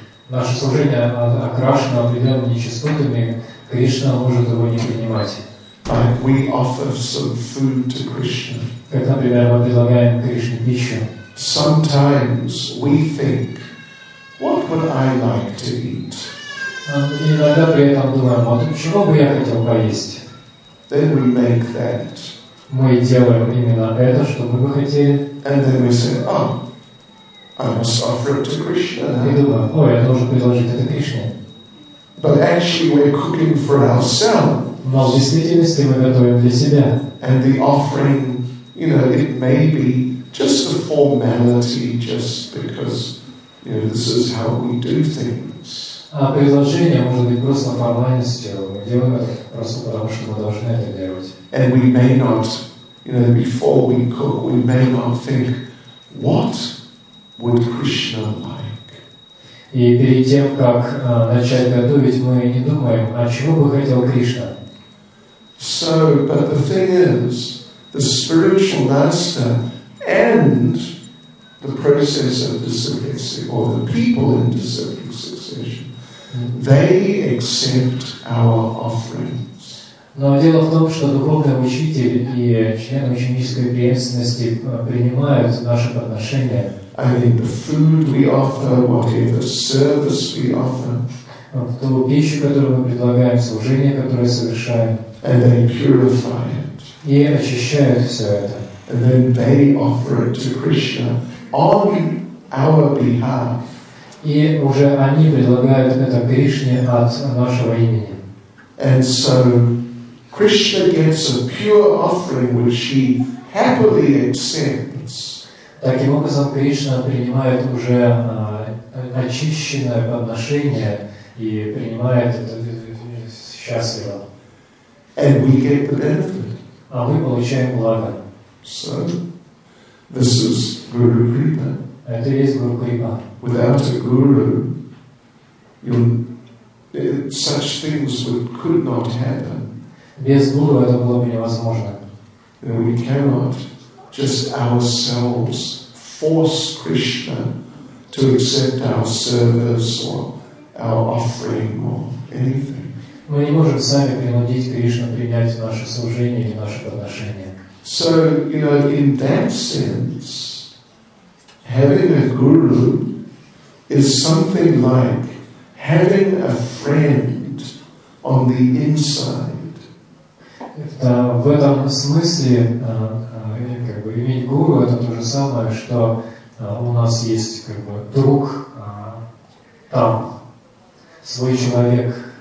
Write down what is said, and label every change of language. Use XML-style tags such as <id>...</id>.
<ru>наше служение окрашено определенными частотами, Кришна может его не принимать.</ru> <en>We offer some food to Krishna.</en> <ru>Как, например, мы предлагаем Кришне пищу.</ru> <en>Sometimes we think, what would I like to eat?</en> <ru>Иногда при этом думаем, вот чего бы я хотел поесть?</ru> <en>Then we make that.</en> <ru>Мы делаем именно это, что мы бы хотели.</ru> <en>And then we say, oh, I must offer it to Krishna.</en> <ru>И думаем, ой, я должен предложить это Кришне.</ru> <en>But actually we're cooking for ourselves.</en> <ru>Но в действительности мы готовим для себя.</ru> <en>And the offering, you know, it may be just a formality, just because, you know, this is how we do things.</en> <ru>А предложение может быть просто формальностью. Мы делаем это просто потому, что мы должны это делать.</ru> <en>And we may not, you know, before we cook, we may not think, what would Krishna like?</en> <ru>И перед тем, как начать готовить, мы не думаем, а чего бы хотел Кришна?</ru> <en>So, but the thing is, the spiritual master and the process of disciplic succession, or the people in disciplic succession, they accept our offerings.</en> <ru>Но дело в том, что духовный учитель и член ученической преемственности принимают наши подношения.</ru> <en>I mean, the food we offer, whatever service we offer.</en> <ru>Ту пищу, которую мы предлагаем, служение, которое совершаем.</ru> <en>And they purify it.</en> <ru>И очищают все это.</ru> <en>And then they offer it to Krishna on our behalf.</en> <ru>И уже они предлагают это Кришне от нашего имени.</ru> <en>And so Krishna gets a pure offering which she happily accepts.</en> <ru>Таким образом, Кришна принимает уже очищенное подношение и принимает это счастливо.</ru> <en>And we get the benefit.</en> <ru>А мы получаем благо.</ru> <en>So, this is Guru Kripa.</en> <ru>Это и есть Гуру Крипа.</ru> <en>Without a guru, such things could not happen.</en> <ru>Без гуру это было бы невозможно.</ru> <en>And we cannot just ourselves force Krishna to accept our service or our offering or anything.</en> <ru>Мы не можем сами принудить Кришну принять наше служение или наше подношение.</ru> <en>So, you know, in that sense, having a guru is something like having a friend on the inside.</en> <ru>В этом смысле, как бы иметь гуру, это то же самое, что у нас есть как бы друг там, свой человек.</ru>